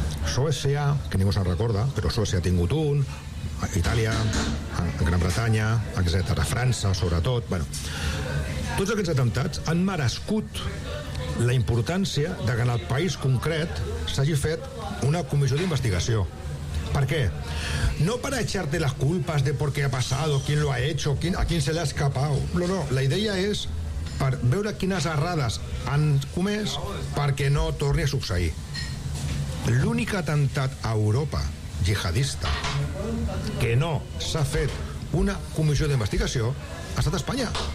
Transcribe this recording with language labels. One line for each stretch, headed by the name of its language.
Catalan: Suècia, que ningú se'n recorda, però Suècia ha tingut un, Itàlia, Gran Bretanya, etc. França, sobretot, bueno... Tots aquests atemptats han merescut la importància de que en el país concret s'hagi fet una comissió d'investigació. Per què?
Spanish: No per echarte les culpes de por qué ha pasado, quién lo ha hecho, a quién se le ha escapado.
Catalan: No, no, la idea és per veure quines errades han comès perquè no torni a succeir. L'únic atemptat a Europa jihadista que no s'ha fet una comissió d'investigació ha estat Espanya.